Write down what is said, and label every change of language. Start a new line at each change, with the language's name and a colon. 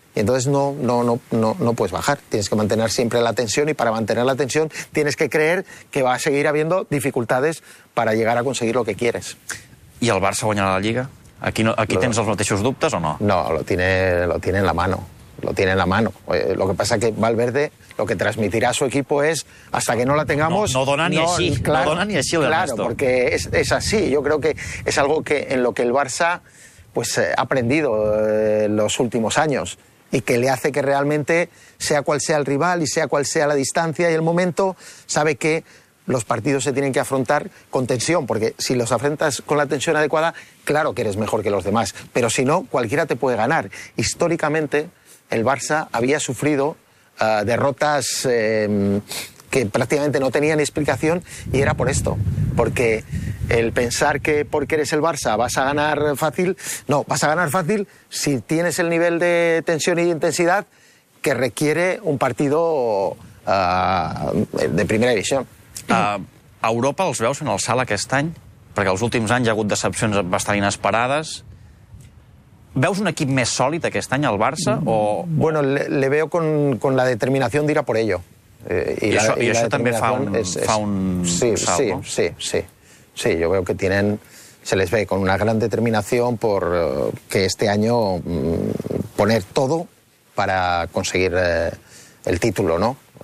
Spanish: Entonces no puedes bajar, tienes que mantener siempre la tensión, y para mantener la tensión tienes que creer que va a seguir habiendo dificultades para llegar a conseguir lo que quieres.
Catalan: ¿Y el Barça guanyarà la Liga? ¿Aquí no, aquí tens els mateixos dubtes o no?
Spanish: No, lo tiene en la mano. lo tiene en la mano. Lo que pasa es que Valverde lo que transmitirá a su equipo es, hasta que no la tengamos... No,
Catalan: no dona ni
Spanish: no, así, claro, no dona ni así el claro, resto. Porque es así, yo creo que es algo que en lo que el Barça pues ha aprendido los últimos años y que le hace que realmente, sea cual sea el rival y sea cual sea la distancia y el momento, sabe que los partidos se tienen que afrontar con tensión, porque si los afrontas con la tensión adecuada, claro que eres mejor que los demás, pero si no, cualquiera te puede ganar. Históricamente, el Barça había sufrido derrotas que prácticamente no tenían explicación y era por esto, porque el pensar que porque eres el Barça vas a ganar fácil, no, vas a ganar fácil si tienes el nivel de tensión y de intensidad que requiere un partido de primera división.
Catalan: A Europa els veus en el salt aquest any? Perquè els últims anys hi ha hagut decepcions bastant inesperades. ¿Veus un equip més sòlid aquest any al Barça? O...
Spanish: Bueno, le veo con la determinación de ir a por ello. Y eso
Catalan: també fa un sí, salt, sí, no?
Spanish: Sí, sí, sí. Sí, yo veo que tienen... Se les ve con una gran determinación por que este año poner todo para conseguir el título, ¿no?